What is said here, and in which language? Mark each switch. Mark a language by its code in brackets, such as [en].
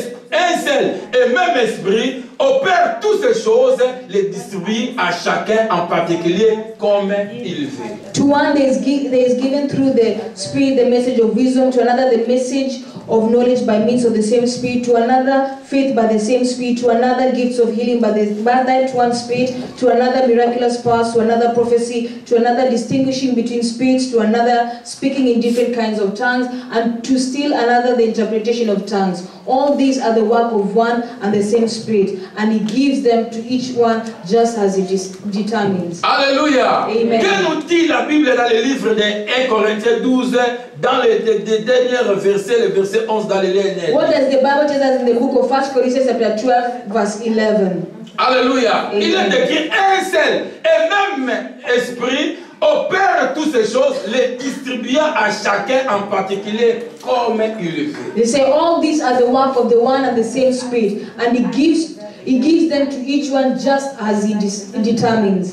[fr] Un seul et même esprit opère toutes ces choses, les distribue à chacun en particulier comme il veut. [en] To one there is given through the Spirit the message of wisdom, to another the message of knowledge by means of the same Spirit, to another faith by the same Spirit, to another gifts of healing by one Spirit, to another miraculous powers, to another prophecy, to another distinguishing between spirits, to another speaking in different kinds of tongues, and to still another the interpretation of tongues. All these are the work of one and the same Spirit, and he gives them to each one just as he determines. Alléluia. Amen. [fr] Que nous dit la Bible dans le livre de 1 Corinthiens 12 dans le dernier verset, le verset 11 dans les lignes. [en] What does the Bible tell us in the book of 1 Corinthians chapter 12 verse 11? Alléluia. [fr] Il est écrit un seul et même esprit opère toutes ces choses, les distribuant à chacun en particulier comme il le veut. [en] They say all these are the work of the one and the same Spirit, and he gives them to each one just as he determines.